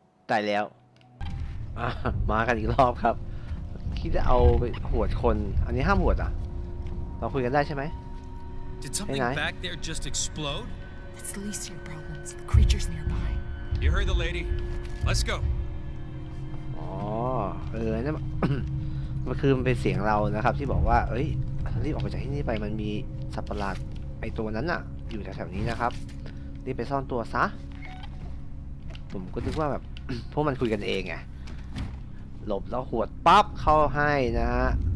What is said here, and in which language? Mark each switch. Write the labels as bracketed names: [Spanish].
[Thai] ตายแล้วมากันอีกรอบครับคิดจะเอาไปหัวคนอันนี้ห้ามหัวอ่ะเราคุยกันได้ใช่ไหมไ [English] หน back there just explode that's the least of your problems the creatures nearby you heard the lady let's go [Thai] อ๋อเออนั่นมันคือมันเป็นเสียงเรานะครับที่บอกว่าเอ้ยรีบออกไปจากที่นี่ไปมันมีสัตว์ประหลาดไอตัวนั้นน่ะอยู่แถวๆนี้นะครับรีบไปซ่อนตัวซะผมก็นึกว่าแบบ พวกมันคุยกันเองไงหลบแล้วหวดปั๊บเข้าให้นะฮะ